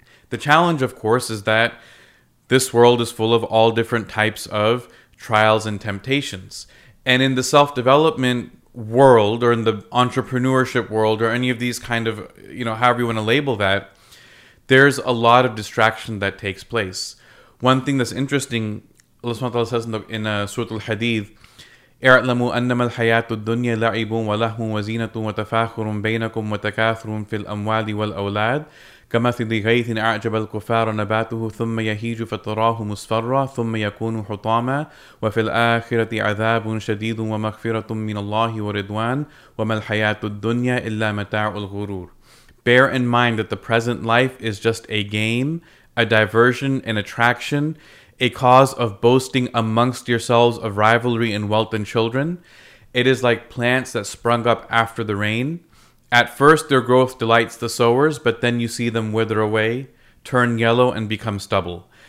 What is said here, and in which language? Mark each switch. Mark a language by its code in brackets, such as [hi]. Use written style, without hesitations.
[en] The challenge, of course, is that this world is full of all different types of trials and temptations. And in the self-development world, or in the entrepreneurship world, or any of these kind of, you know, however you want to label that, there's a lot of distraction that takes place. One thing that's interesting, Allah subhanahu wa ta'ala says in Surah Al-Hadid, [ar] اعلموا أنما الحياة الدنيا لعب ولهو وزينة وتفاخر بينكم وتكاثر في الأموال والأولاد كمثل غيث أعجب الكفار نباته ثم يهيج فتراه مصفرا ثم يكون حطاما وفي الآخرة عذاب شديد ومغفرة من الله ورضوان وما الحياة الدنيا إلا متاع الغرور. [en] Bear in mind that the present life is just a game, a diversion, an attraction, a cause of boasting amongst yourselves of rivalry and wealth and children. It is like plants that sprung up after the rain. At first, their growth delights the sowers, but then you see them wither away, turn yellow, and become stubble.